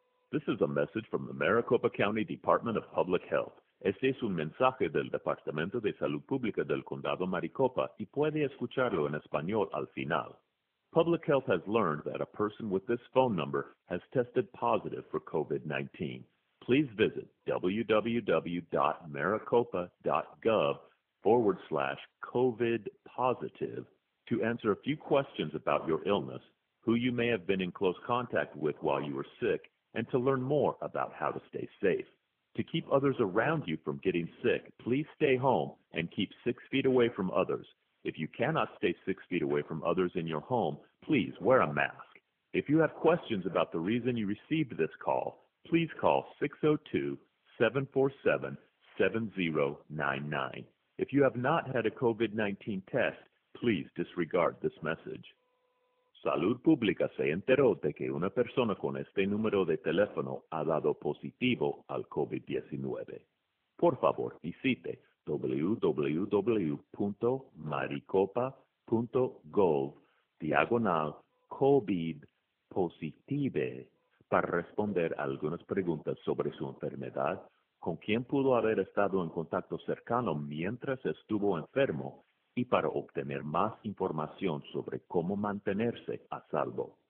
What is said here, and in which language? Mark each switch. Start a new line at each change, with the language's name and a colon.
English: This is a message from the Maricopa County Department of Public Health.
Spanish: Este es un mensaje del Departamento de Salud Pública del Condado Maricopa y puede escucharlo en español al final.
English: Public Health has learned that a person with this phone number has tested positive for COVID-19. Please visit www.maricopa.gov/COVID-positive to answer a few questions about your illness, who you may have been in close contact with while you were sick, and to learn more about how to stay safe. To keep others around you from getting sick, please stay home and keep 6 feet away from others. If you cannot stay 6 feet away from others in your home, please wear a mask. If you have questions about the reason you received this call, please call 602-747-7099. If you have not had a COVID-19 test, please disregard this message.
Spanish: Salud Pública se enteró de que una persona con este número de teléfono ha dado positivo al COVID-19. Por favor, visite www.maricopa.gov/COVID-positive para responder algunas preguntas sobre su enfermedad, con quién pudo haber estado en contacto cercano mientras estuvo enfermo, y para obtener más información sobre cómo mantenerse a salvo.